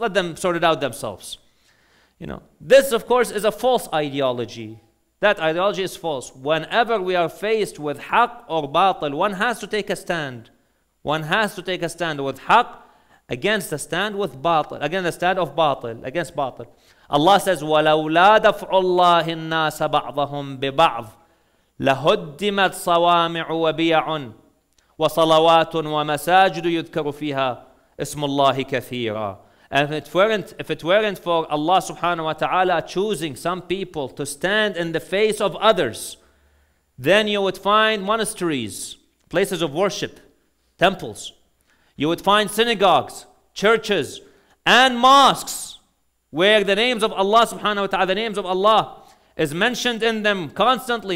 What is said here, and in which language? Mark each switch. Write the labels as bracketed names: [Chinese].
[English] Let them sort it out themselves. You know, this, of course, is a false ideology. That ideology is false. Whenever we are faced with haqq or batil, one has to take a stand. One has to take a stand with haqq against the stand with batil, against the stand of batil, against batil. Allah says, [Arabic] وَلَوْلَا دَفْعُ اللَّهِ النَّاسَ بَعْضَهُمْ بِبَعْضٍ لَهُدِّمَتْ صَوَامِعُ وَبِيَعٌ وَصَلَوَاتٌ وَمَسَاجِدُ يُذْكَرُ فِيهَا اسْمُ اللَّهِ كَثِيرًا. [English] And if it weren't for Allah subhanahu wa ta'ala choosing some people to stand in the face of others, then you would find monasteries, places of worship, temples. You would find synagogues, churches, and mosques where the names of Allah subhanahu wa ta'ala, the names of Allah is mentioned in them constantly.